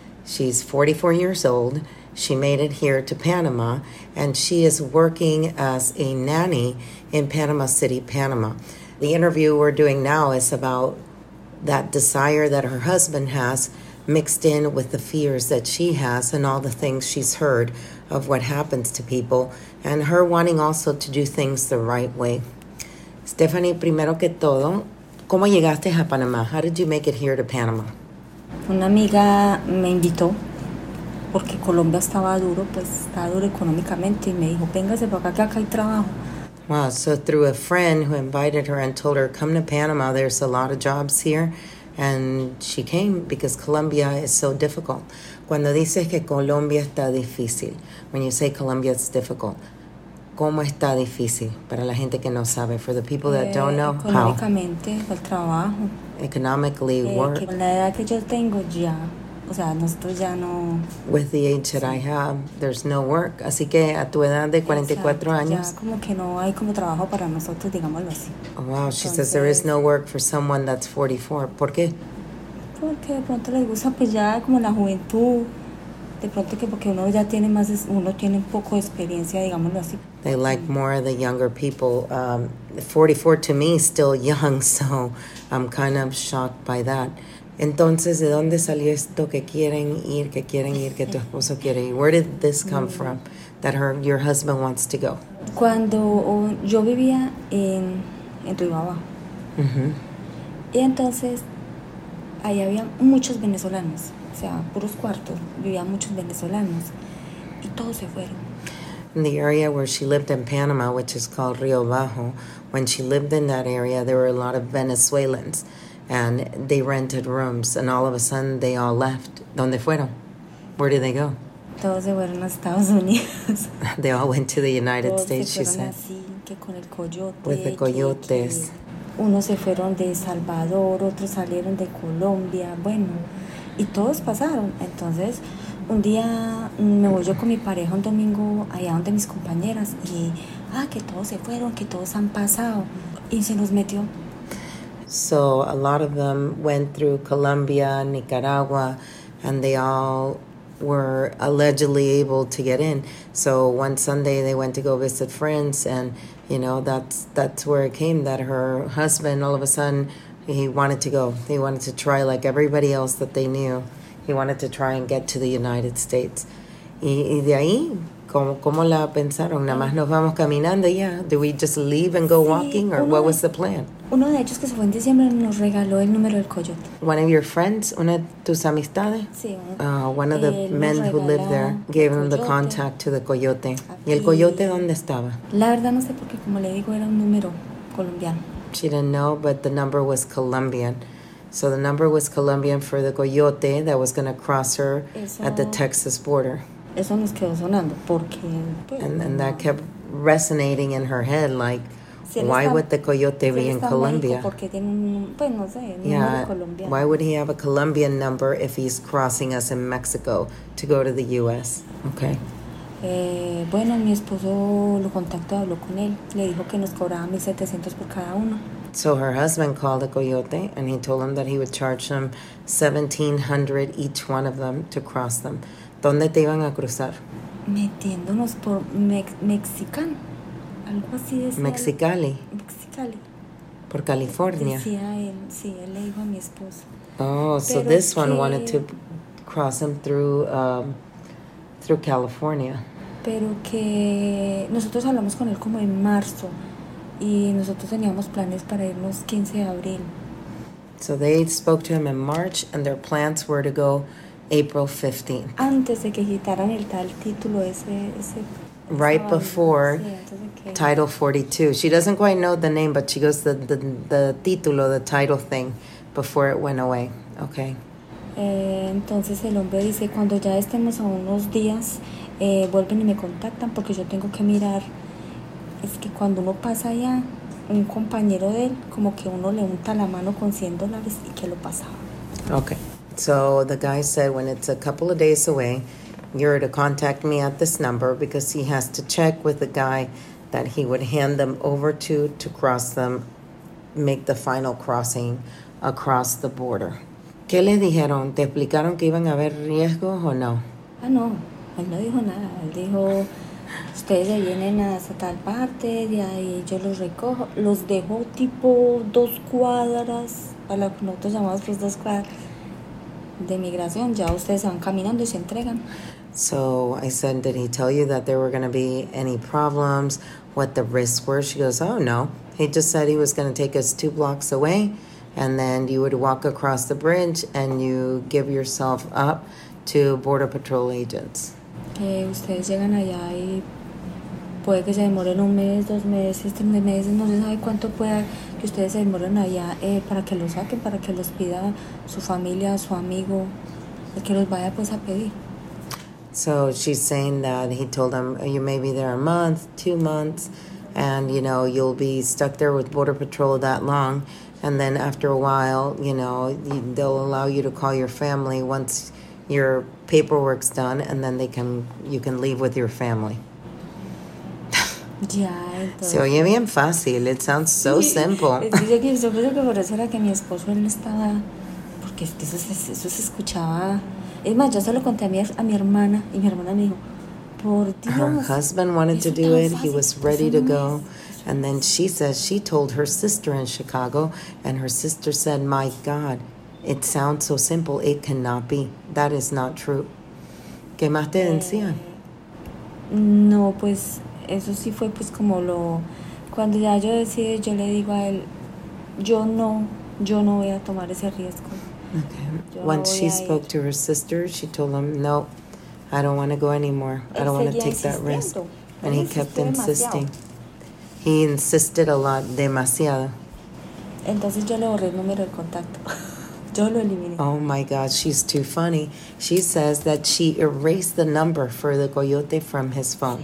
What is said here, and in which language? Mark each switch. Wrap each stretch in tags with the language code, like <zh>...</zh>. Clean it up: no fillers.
<en>She's 44 years old. She made it here to Panama, and she is working as a nanny in Panama City, Panama. The interview we're doing now is about that desire that her husband has mixed in with the fears that she has and all the things she's heard of what happens to people, and her wanting also to do things the right way.</en> <es>Stephanie, primero que todo, ¿cómo llegaste a Panama?</es> <en>How did you make it here to Panama?</en> <es>Una amiga me invitó porque Colombia estaba duro, pues estaba duro económicamente, y me dijo, véngase para acá, que acá hay trabajo.</es> <en>Wow, so through a friend who invited her and told her, come to Panama, there's a lot of jobs here, and she came because Colombia is so difficult.</en> <es>Cuando dices que Colombia está difícil,</es> <en>when you say Colombia is difficult,</en> <es>¿cómo está difícil para la gente que no sabe?</es> <en>For the people that don't know, how?</en> <es>Económicamente, el trabajo.</es> <en>Economically, work.</en> <es>Con la edad que yo tengo ya, o sea, nosotros ya no...</es> <en>With the age that I have, there's no work.</en> <es>Así que a tu edad de 44 años... Ya como que no hay como trabajo para nosotros, digámoslo así.</es> <en>Oh, wow, she says there is no work for someone that's 44.</en> <es>¿Por qué? Porque de pronto les gusta, pues ya como la juventud. De pronto que porque uno ya tiene más, uno tiene un poco de experiencia, digámoslo así.</es> <en>They like more of the younger people. 44 to me, still young, so I'm kind of shocked by that.</en> <es>Entonces, ¿de dónde salió esto que quieren ir, que tu esposo quiere ir?</es> <en>Where did this come from, that your husband wants to go?</en> <es>Cuando yo vivía en Río Abajo. Uh-huh. Y entonces, ahí había muchos venezolanos, o sea, puros cuartos, vivían muchos venezolanos, y todos se fueron.</es> <en>In the area where she lived in Panama, which is called Río Abajo, when she lived in that area, there were a lot of Venezuelans. And they rented rooms, and all of a sudden, they all left.</en> <es>¿Dónde fueron?</es> <en>Where did they go?</en> <es>Todos se fueron a Estados Unidos.</es> <en>They all went to the United</en> <es>Todos se fueron</es> <en>she said.</en> <es>Así, que con el coyote,</es> <en>with the coyotes.</en> <es>Unos se fueron de Salvador, otros salieron de Colombia. Bueno, y todos pasaron. Entonces, un día me voy yo con mi pareja un domingo allá donde mis compañeras, y, que todos se fueron, que todos han pasado. Y se nos metió.</es> <en>So a lot of them went through Colombia, Nicaragua, and they all were allegedly able to get in. So one Sunday they went to go visit friends, and, you know, that's where it came, that her husband, all of a sudden, he wanted to go. He wanted to try, like everybody else that they knew, he wanted to try and get to the United States.</en> <es>Y de ahí, ¿cómo la pensaron? Nada más nos vamos caminando, yeah.</es> <en>Do we just leave and go walking, or what was the plan?</en> <es>Uno de ellos que se fue en diciembre nos regaló el número del coyote.</es> <en>One of your friends,</en> <es>una de tus amistades? Sí.</es> <en>One of the men who lived there gave him the contact to the coyote.</en> <es>¿Y el coyote dónde estaba? La verdad no sé porque, como le digo, era un número colombiano.</es> <en>She didn't know, but the number was Colombian. So the number was Colombian for the coyote that was going to cross her at the Texas border.</en> <es>Eso nos quedó sonando porque...</es> <en>And that kept resonating in her head, like... Why would the coyote be in Colombia? Why would he have a Colombian number if he's crossing us in Mexico to go to the U.S.? Okay.</en> <es>Bueno, mi esposo lo contactó, habló con él. Le dijo que nos cobraba 1,700 por cada uno.</es> <en>So her husband called the coyote, and he told him that he would charge them 1,700 each one of them to cross them.</en> <es>¿Dónde te iban a cruzar? Metiéndonos por Mexicán. Algo así decía. Mexicali. Mexicali. Por California. Decía él, sí, él le dijo a mi esposo.</es> <en>Oh, pero so this one wanted to cross him through California.</en> <es>Pero que nosotros hablamos con él como en marzo, y nosotros teníamos planes para irnos 15 de abril.</es> <en>So they spoke to him in March, and their plans were to go April 15th.</en> <es>Antes de que quitaran el tal título ese...</es> <en>right before Title 42. She doesn't quite know the name, but she goes the título, the title thing, before it went away. Okay.</en> <es>Entonces el hombre dice, cuando ya estemos a unos días, vuelven y me contactan porque yo tengo que mirar. Es que cuando uno pasa allá, un compañero de él, como que uno le unta la mano con $100 y que lo pasaba.</es> <en>Okay. So the guy said, when it's a couple of days away, you're to contact me at this number because he has to check with the guy that he would hand them over to cross them, make the final crossing across the border.</en> <es>¿Qué le dijeron? ¿Te explicaron que iban a haber riesgos o no? Ah, no. Él no dijo nada. Él dijo, ustedes ya vienen hasta tal parte, de ahí yo los recojo. Los dejo tipo dos cuadras, a lo que nosotros llamamos pues dos cuadras de migración. Ya ustedes se van caminando y se entregan.</es> <en>So I said, did he tell you that there were going to be any problems, what the risks were? She goes, oh, no. He just said he was going to take us two blocks away, and then you would walk across the bridge and you give yourself up to Border Patrol agents.</en> <es>Ustedes llegan allá y puede que se demoren un mes, dos meses, tres meses, no se sabe cuánto pueda que ustedes se demoren allá para que los saquen, para que los pida su familia, su amigo, el que los vaya pues a pedir.</es> <en>So she's saying that he told them, you may be there a month, 2 months, and, you know, you'll be stuck there with Border Patrol that long. And then after a while, you know, they'll allow you to call your family once your paperwork's done, and then you can leave with your family.</en> <es>Se oye bien fácil.</es> <en>It sounds so simple.</en> <es>Dice que yo creo que por eso era que mi esposo él estaba, porque eso se escuchaba. Es más, yo se lo conté a mi hermana, y mi hermana me dijo, por Dios.</es> <en>Her husband wanted to do it. He was ready to go. And then she says she told her sister in Chicago, and her sister said, my God, it sounds so simple, it cannot be. That is not true.</en> <es>¿Qué más te decían? No, pues, eso sí fue pues como lo... Cuando ya yo decide, yo le digo a él, yo no voy a tomar ese riesgo.</es> <en>Okay. Once she spoke to her sister, she told him, no, I don't want to go anymore. I don't want to take that risk. And he kept insisting. He insisted a lot, demasiado.</en> <es>Entonces yo le borré el número de contacto. Yo lo eliminé.</es> <en>Oh my God, she's too funny. She says that she erased the number for the coyote from his phone.</en>